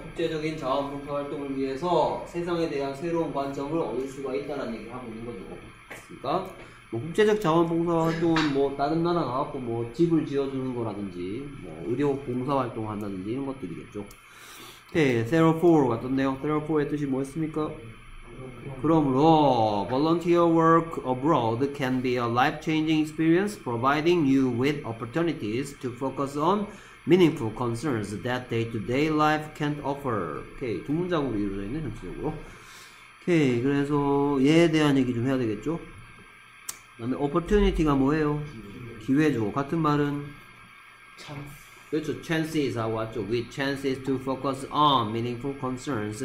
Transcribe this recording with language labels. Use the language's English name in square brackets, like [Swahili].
[Korean] 국제적인 자원봉사활동을 위해서 세상에 대한 새로운 관점을 얻을 수가 있다는 얘기를 하고 있는 거죠. 그러니까 뭐 국제적 자원봉사활동은 뭐 다른 나라 나왔고 뭐 집을 지어주는 거라든지 뭐 의료 봉사활동 한다든지 이런 것들이겠죠. 네, therefore 같던데요. therefore의 뜻이 뭐였습니까? 그러므로 [English] volunteer work abroad can be a life-changing experience providing you with opportunities to focus on meaningful concerns that day-to-day life can't offer. [Korean] 오케이, 두 문장으로 이루어져 있네 전체적으로. 오케이, 그래서 얘에 대한 얘기 좀 해야 되겠죠. 그 다음에 opportunity가 뭐예요? 기회죠. 같은 말은 그렇죠. [English] chances [Korean] 하고 왔죠. [English] with chances to focus on meaningful concerns.